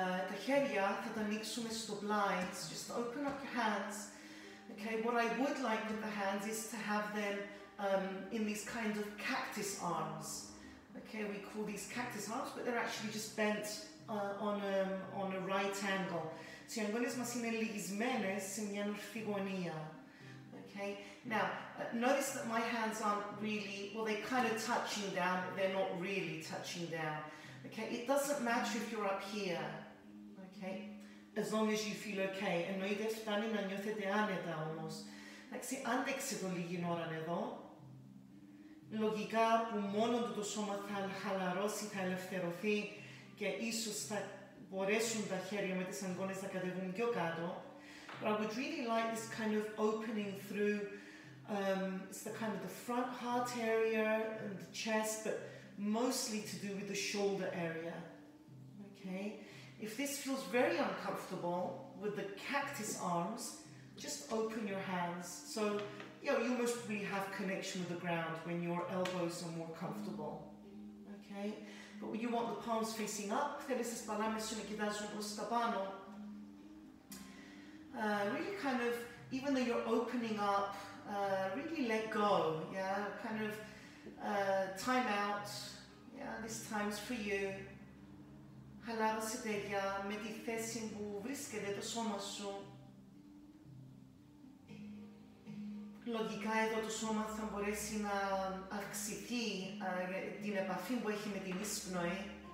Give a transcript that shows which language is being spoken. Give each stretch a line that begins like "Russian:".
Greek: Τα χέρια θα τα ανοίξουμε στο πλάι,
English: just open up your hands. Okay, what I would like with the hands is to have them in these kind of cactus arms. Okay, we call these cactus arms, but they're actually just bent on a right angle.
Greek: So οι αγγόνες μας είναι λυγισμένες σε μια ορθή γωνία.
English: Okay, now notice that my hands aren't really, well, they're kind of touching down, but they're not really touching down. Okay, it doesn't matter if you're up here. Okay. As long as you feel okay.
Greek: Εννοείται φτάνει να νιώθετε άνετα όμως. Εντάξει, άντεξε το λίγη ώρα εδώ. Λογικά που μόνο το σώμα θα χαλαρώσει, θα ελευθερωθεί και ίσως θα μπορέσουν τα χέρια με τις αγκώνες να κατεβούν πιο κάτω.
English: But I would really like this kind of opening through, it's the kind of the front heart area and the chest, but mostly to do with the shoulder area. Okay. If this feels very uncomfortable with the cactus arms, just open your hands. So, you know, you most probably have connection with the ground when your elbows are more comfortable. Okay? But when you want the palms facing up,
Greek: θέλεις τις παλάμες σου να κοιτάζουν προς τα πάνω.
English: Really kind of, even though you're opening up, really let go, yeah? Kind of time out, yeah, this time's for you.
Greek: Χαλάρωσε τέτοια με τη θέση που βρίσκεται το σώμα σου. Λογικά εδώ το σώμα θα μπορέσει να αυξηθεί την επαφή που έχει με την εισπνοή.